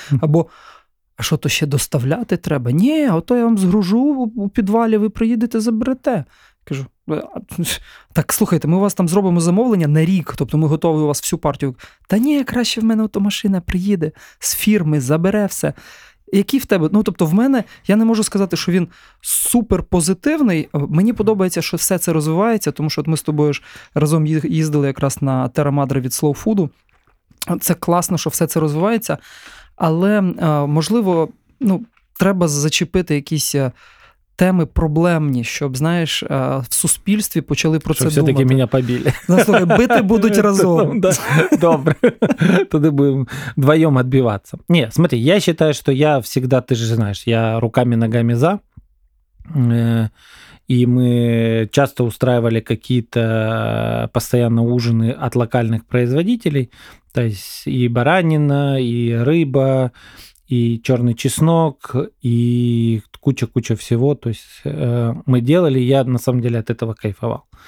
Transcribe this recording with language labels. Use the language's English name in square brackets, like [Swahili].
[Ukrainian] Або, а що, то ще доставляти треба? Ні, ото я вам згружу у підвалі, ви приїдете, заберете. Кажу, так, слухайте, ми у вас там зробимо замовлення на рік, тобто ми готові у вас всю партію. Та ні, краще в мене ото машина приїде з фірми, забере все. Які в тебе? Ну, тобто в мене, я не можу сказати, що він суперпозитивний. Мені подобається, що все це розвивається, тому що от ми з тобою ж разом їздили якраз на Terra Madre від Slow Food. Це класно, що все це розвивається, але, можливо, ну, треба зачепити якісь теми проблемні, щоб, знаєш, в суспільстві почали про щоб це думати. Щоб все-таки мене побили. Слухай, бити будуть разом. Добре. Туди будемо вдвоєм відбиватися. Ні, смотри, я вважаю, що я завжди, ти ж знаєш, я руками-ногами за. [Russian] И мы часто устраивали какие-то постоянно ужины от локальных производителей. То есть и баранина, и рыба, и черный чеснок, и куча-куча всего. То есть мы делали, я на самом деле от этого кайфовал.